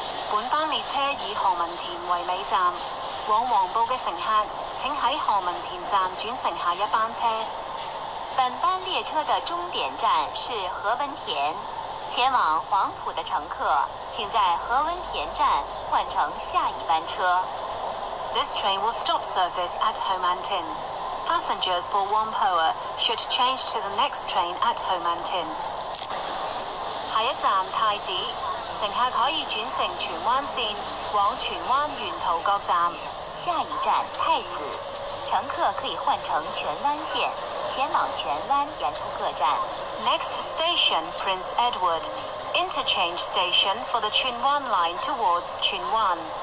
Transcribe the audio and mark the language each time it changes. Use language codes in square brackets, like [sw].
[zh] 本班列车以何文田为尾站，往黄埔的乘客请在何文田站转乘下一班车。本班列车的终点站是何文田，前往黄埔的乘客请在何文田站换乘下一班车。 [en] This train will stop service at Ho Man Tin. Passengers for Whampoa should change to the next train at Ho Man Tin. [zh] 下一站太子，乘客可以转乘荃湾线往荃湾沿途各站。下一站太子，乘客可以换乘荃湾线前往荃湾沿途各站。 [en] Next station, Prince Edward, interchange station for the Tsuen Wan line towards Tsuen Wan.